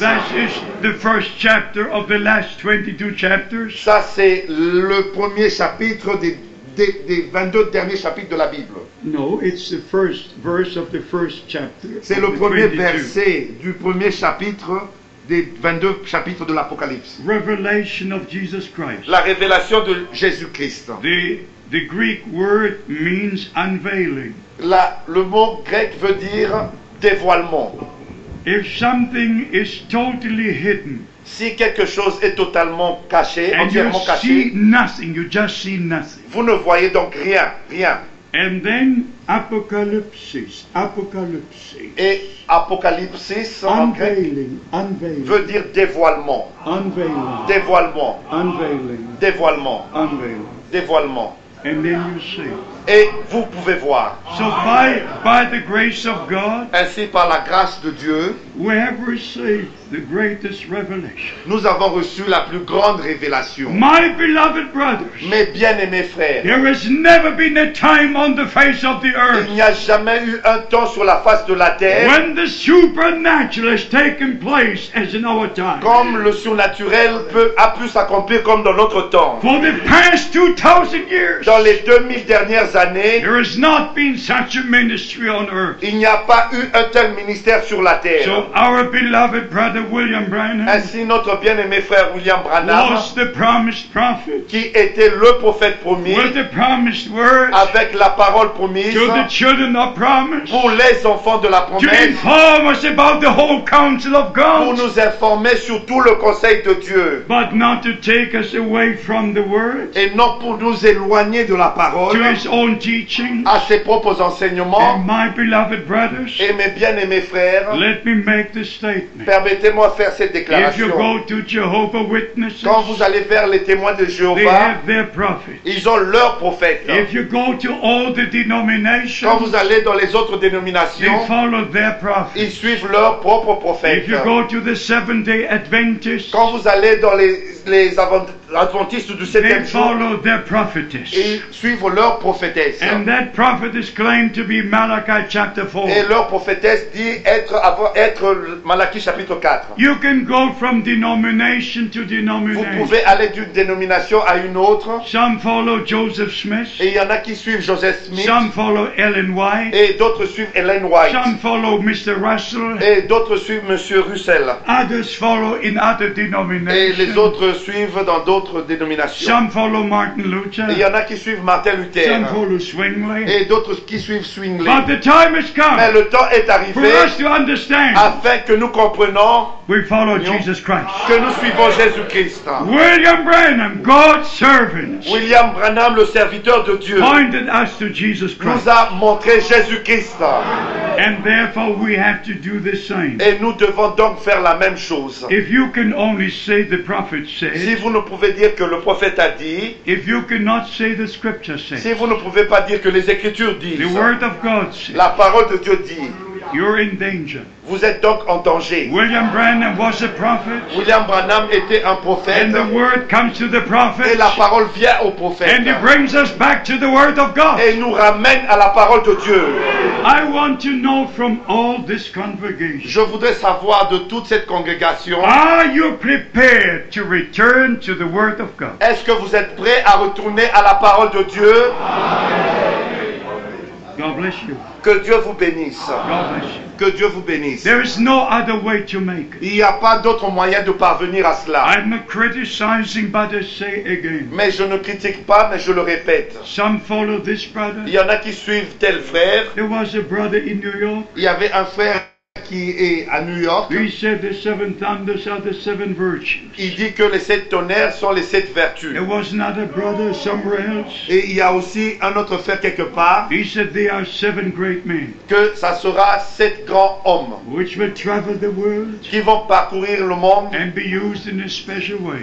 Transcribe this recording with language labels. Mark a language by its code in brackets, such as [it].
[en] That is the first chapter of the last 22 chapters. [fr] Ça c'est le premier chapitre des 22 derniers chapitres de la Bible. [en] No, it's the first verse of the first chapter. [fr] C'est le premier verset du premier chapitre des 22 chapitres de l'Apocalypse. [en] Revelation of Jesus Christ. [fr] La révélation de Jésus-Christ. [en] The Greek word means unveiling. [fr] Le mot grec veut dire dévoilement. [en] If something is totally hidden, [fr] si quelque chose est totalement caché, entièrement caché, [en] see nothing, you just see nothing. [fr] Vous ne voyez donc rien, rien. [en] And then apocalypse. [fr] Et apocalypse [en] unveiling, unveiling. [fr] Veut dire dévoilement. [en] Unveiling. [fr] Dévoilement. [en] Unveiling. [fr] Dévoilement. [en] Unveiling. [fr] Dévoilement. [en] And then you see. [fr] Et vous pouvez voir. [en] So by the grace of God, [fr] ainsi par la grâce de Dieu, [en] we have received the greatest revelation. [fr] Nous avons reçu la plus grande révélation. [en] My beloved brothers, [fr] mes bien-aimés frères, [en] there has never been a time on the face of the earth. [fr] Il n'y a jamais eu un temps sur la face de la terre. [en] When the supernatural has taken place as in our time. [fr] Comme le surnaturel a pu s'accomplir comme dans notre temps. [en] For the past 2000 years. [fr] Dans les 2000 dernières années, [en] there has not been such a ministry on earth. [fr] Il n'y a pas eu un tel ministère sur la terre. [en] So our beloved brother William Branham, [fr] ainsi notre bien-aimé frère William Branham, [en] was the promised prophet, [fr] qui était le prophète promis, [en] with the promised word, [fr] avec la parole promise, [en] to the children of promise, [fr] pour les enfants de la promesse, [en] to inform us about the whole counsel of God, [fr] pour nous informer sur tout le conseil de Dieu, [en] but not to take us away from the word, [fr] et non pour nous éloigner de la parole. [en] His own teaching, [fr] à ses propres enseignements, [en] and my beloved brothers, [fr] et mes bien-aimés frères, [en] let me make this statement. [fr] Permettez-moi faire cette déclaration. [en] If you go to Jehovah's Witnesses, [fr] quand vous allez vers les témoins de Jéhovah, [en] they have their prophets. [fr] Ils ont leurs prophètes. [en] If you go to all the denominations, [fr] quand vous allez dans les autres dénominations, [en] they follow their prophets. [fr] Ils suivent leurs propres prophètes. [en] If you go to the Seventh-day Adventists, [fr] quand vous allez dans les adventistes du septième [en] jour, follow their prophetess. [fr] Ils suivent leur prophétesse. [en] And that prophetess claimed to be Malachi chapter 4. [fr] Et leur prophétesse dit être Malachi chapitre 4. [en] You can go from denomination to denomination. [fr] Vous pouvez aller d'une dénomination à une autre. [en] Some follow Joseph Smith. [fr] Et il y en a qui suivent Joseph Smith. [en] Some follow Ellen White. [fr] Et d'autres suivent Ellen White. [en] Some follow Mr. Russell. [fr] Et d'autres suivent Monsieur Russell. [en] Others follow in other denominations. [fr] Et les autres suivent dans d'autres dénominations. [en] Some follow Martin Luther. [fr] Il y en a qui suivent Martin Luther. [en] Some follow Zwingli. [fr] Et d'autres qui suivent Zwingli. [en] But the time has come. [fr] Mais le temps est arrivé. [en] For us to understand. [fr] Afin que nous comprenions. [en] We follow Jesus Christ. [fr] Que nous suivons Jésus Christ. [en] William Branham, God's servant. [fr] William Branham, le serviteur de Dieu. [en] Pointed us to Jesus Christ. [fr] Nous a montré Jésus Christ. [en] And therefore we have to do the same. [fr] Et nous devons donc faire la même chose. [en] If you can only say the prophet said. [fr] Si vous ne pouvez dire que le prophète a dit. [en] If you cannot say the scripture says. [fr] Si vous ne pouvez pas dire que les écritures disent. [en] The word of God says. [fr] La parole de Dieu dit. [en] You're in danger. [fr] Vous êtes donc en danger. [en] William Branham was a prophet. [fr] William Branham était un prophète. [en] And the word comes to the prophet. [fr] Et la parole vient au prophète. [en] And it brings us back to the word of God. [fr] Et nous ramène à la parole de Dieu. [en] I want to know from all this congregation. [fr] Je voudrais savoir de toute cette congrégation. [en] Are you prepared to return to the word of God? [fr] Est-ce que vous êtes prêt à retourner à la parole de Dieu? [en] God bless you. [fr] Que Dieu vous bénisse. [en] God bless you. [fr] Que Dieu vous bénisse. [en] There is no other way to make it. [fr] Il n'y a pas d'autre moyen de parvenir à cela. [en] I'm not criticizing, but I say again. [fr] Mais je ne critique pas, mais je le répète. [en] Some follow this brother. [fr] Il y en a qui suivent tel frère. [en] There was a brother in New York. [fr] Il y avait un frère qui est à New York. [en] He said the seven thunders are the seven virtues. [fr] Il dit que les sept tonnerres sont les sept vertus. [en] There was another brother somewhere else. [fr] Et il y a aussi un autre frère quelque part. [en] He said they are seven great men. [fr] Que ça sera sept grands hommes. [en] Which will travel the world. [fr] Qui vont parcourir le monde. [en] And be used in a special way.